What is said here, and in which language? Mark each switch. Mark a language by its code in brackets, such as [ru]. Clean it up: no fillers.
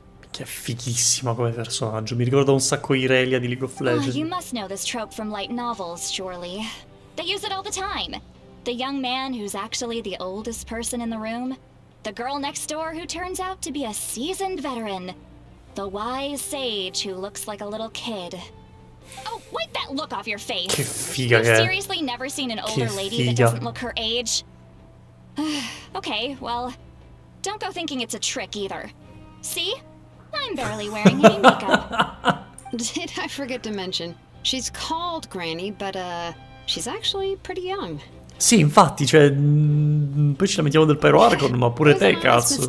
[it] Che fighissima come personaggio, mi ricorda un sacco Irelia di League of Legends. [en] You must know this trope from light novels, surely. They use it all the time. The young man who's actually the oldest person in the room. The girl next door who turns out to be a seasoned veteran. The wise sage who looks like a little kid. Oh, wipe that look off your face! [it] Che figa che è. [en] You've seriously never seen an older lady that doesn't look her age? Okay, well, don't go thinking it's a trick either. See? I'm barely wearing any makeup. Did I forget to mention? She's called Granny, but she's actually pretty young. [it] Sì, infatti, cioè, poi ci lamentiamo del Pyro Argon, ma pure te, cazzo.